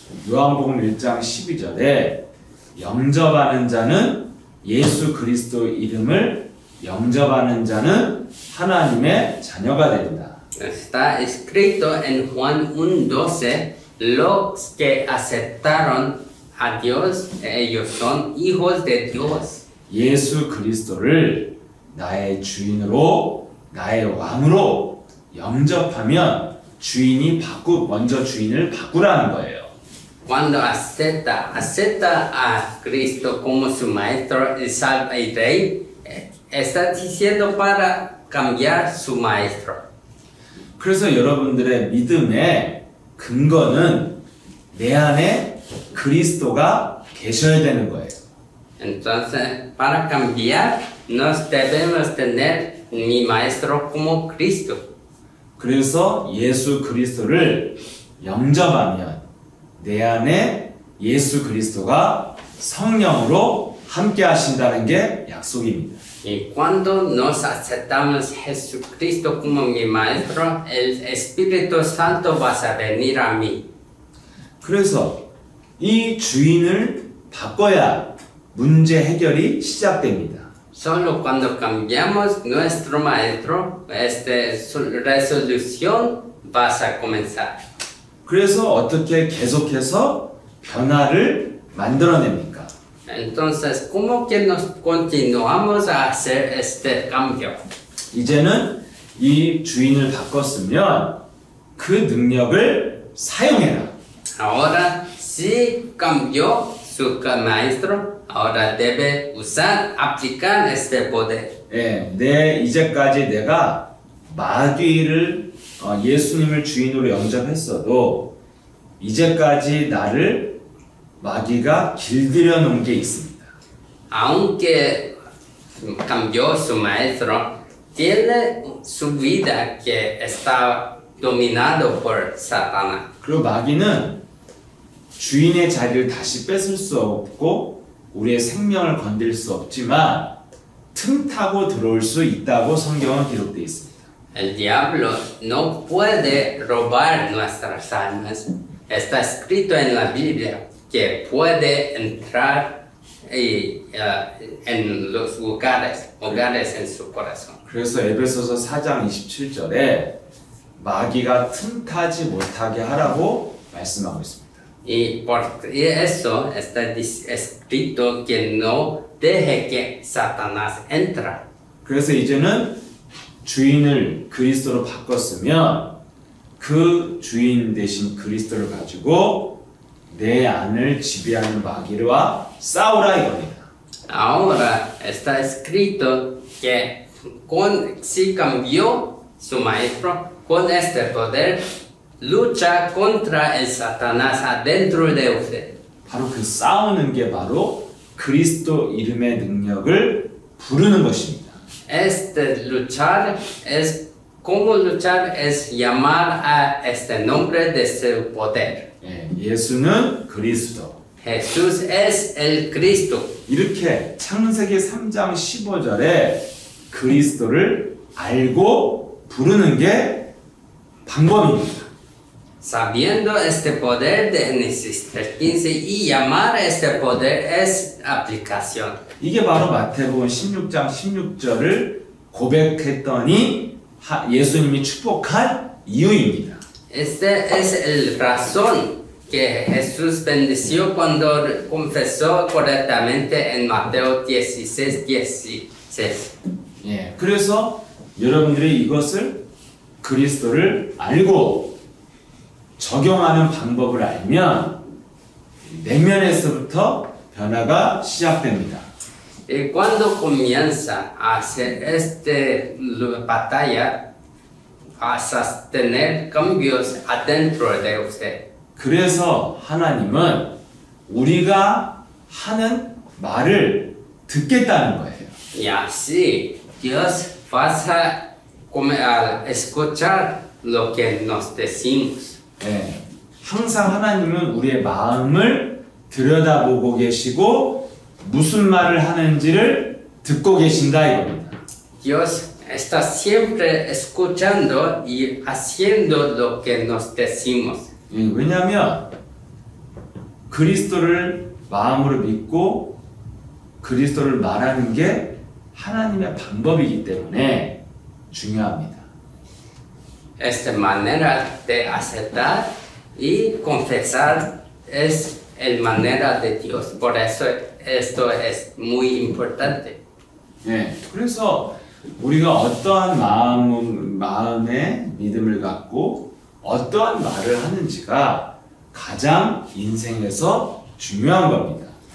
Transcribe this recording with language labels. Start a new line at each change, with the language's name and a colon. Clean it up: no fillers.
Korean: 요한복음 1장 12절에 영접하는 자는 예수 그리스도 이름을 영접하는 자는 하나님의 자녀가 된다.
Spanish: Está escrito en Juan 1:12 los que aceptaron a Dios ellos son hijos de Dios.
Korean: 예수 그리스도를 나의 주인으로 나의 왕으로 영접하면 주인이 바꾸 먼저 주인을 바꾸라는 거예요.
Spanish: Cuando acepta a Cristo como su maestro y salvador, está diciendo para cambiar su maestro.
Korean: 그래서 여러분들의 믿음의 근거는 내 안에 그리스도가 계셔야 되는 거예요.
Spanish: Entonces, para cambiar, nos debemos tener mi maestro como Cristo.
Korean: 그래서 예수 그리스도를 영접하면 내 안에 예수 그리스도가 성령으로 함께 하신다는 게 약속입니다.
Spanish: Y cuando nos aceptamos Jesucristo como mi maestro, el Espíritu Santo va a venir a mí.
Korean: 그래서 이 주인을 바꿔야 문제 해결이 시작됩니다.
Spanish: Solo cuando cambiamos nuestro maestro, esta resolución va a comenzar.
Korean: 그래서 어떻게 계속해서 변화를 만들어냅니까?
Spanish: Entonces, ¿cómo que nos continuamos a hacer este cambio?
Korean: 이제는 이 주인을 바꿨으면 그 능력을 사용해라.
Spanish: Ahora, si cambió su maestro, ahora debe usar, aplicar este poder.
Korean: 예, 내 이제까지 내가 마귀를 예수님을 주인으로 영접했어도 이제까지 나를 마귀가 길들여 놓은 게 있습니다.
Spanish: Aunque cambió su maestro, tiene su vida que está dominado por Satanás.
Korean: 그리고 마귀는 주인의 자리를 다시 뺏을 수 없고 우리의 생명을 건들 수 없지만 틈타고 들어올 수 있다고 성경은 기록되어 있습니다.
Spanish: El diablo no puede robar nuestras almas. Está escrito en la Biblia que puede entrar en los hogares en su corazón.
Korean: 그래서 에베소서 4장 27절에 마귀가 틈타지 못하게 하라고 말씀하고 있습니다.
Spanish: Y por eso está escrito que no deje que Satanás entra.
Korean: 그래서 이제는 주인을 그리스도로 바꿨으면 그 주인 대신 그리스도를 가지고 내 안을 지배하는 마귀와 싸우라 이겁니다.
Spanish: Ahora está escrito que con si cambió su maestro con este poder lucha contra el Satanás adentro de usted.
Korean: 바로 그 싸우는 게 바로 그리스도 이름의 능력을 부르는 것입니다.
Spanish: Este luchar es como luchar es llamar a este nombre de su poder.
Korean: 예, 예수는 그리스도.
Spanish: Jesús es el Cristo.
Korean: 이렇게 창세기 3장 15절에 그리스도를 알고 부르는 게 방법입니다.
Spanish: Sabiendo este poder de Génesis 15 y llamar este poder es aplicación.
Korean: 이게 바로 마태복음 16장 16절을 고백했더니 예수님이 축복한 이유입니다.
Spanish: Este es el razón que Jesús bendició cuando confesó correctamente en Mateo 16:16.
Korean: 예, 그래서 여러분들이 이것을 그리스도를 알고 적용하는 방법을 알면 내면에서부터 변화가 시작됩니다.
Spanish: Y cuando comienza a hacer este batalla, vas a tener cambios adentro de usted.
Korean: 그래서 하나님은 우리가 하는 말을 듣겠다는 거예요.
Spanish: Y así, Dios vas a escuchar lo que nos decimos.
Korean: 네. 항상 하나님은 우리의 마음을 들여다보고 계시고 무슨 말을 하는지를 듣고 계신다 이겁니다.
Spanish: Dios está siempre escuchando y haciendo lo que nos decimos.
Korean: 왜냐하면 그리스도를 마음으로 믿고 그리스도를 말하는 게 하나님의 방법이기 때문에 중요합니다.
Spanish: Esta manera de aceptar y confesar es el manera de Dios. Por eso esto es muy importante.
Korean: 예, 그래서 우리가 어떠한 마음의 믿음을 갖고 어떠한 말을 하는지가 가장 인생에서 중요한 겁니다.